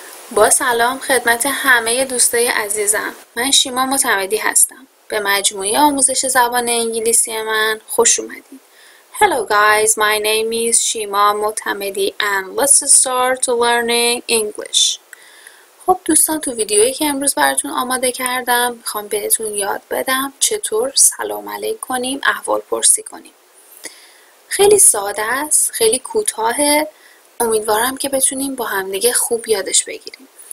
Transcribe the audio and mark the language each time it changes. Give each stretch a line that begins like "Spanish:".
Persian: با سلام خدمت همه دوستای عزیزم، من شیما معتمدی هستم. به مجموعه آموزش زبان انگلیسی من خوش اومدید.
English: Hello guys, my name is Shima Motamedi and let's start learning English.
Persian: خب دوستان، تو ویدیویی که امروز براتون آماده کردم میخوام بهتون یاد بدم چطور سلام علیک کنیم، احوال پرسی کنیم. خیلی ساده است، خیلی کوتاهه، امیدوارم که بتونیم با همدیگه خوب یادش بگیریم.